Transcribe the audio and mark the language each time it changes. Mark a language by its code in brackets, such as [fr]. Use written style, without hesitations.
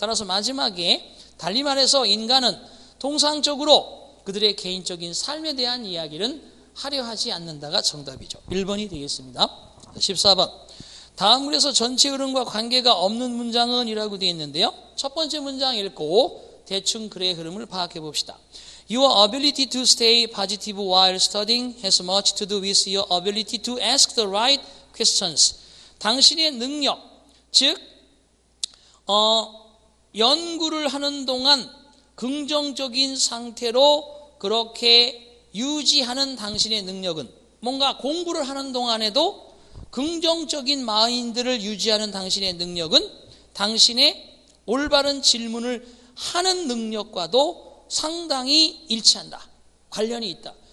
[ko] 따라서 마지막에 달리 말해서 인간은 통상적으로 그들의 개인적인 삶에 대한 이야기는 하려 하지 않는다가 정답이죠. 1번이 되겠습니다. 14번. 다음 글에서 전체 흐름과 관계가 없는 문장은 이라고 되어 있는데요. 첫 번째 문장 읽고 대충 글의 흐름을 파악해 봅시다. [en] Your ability to stay positive while studying has much to do with your ability to ask the right questions. [ko] 당신의 능력, 즉 연구를 하는 동안 긍정적인 상태로 그렇게 유지하는 당신의 능력은, 뭔가 공부를 하는 동안에도 긍정적인 마인드를 유지하는 당신의 능력은 당신의 올바른 질문을 하는 능력과도 상당히 일치한다. 관련이 있다.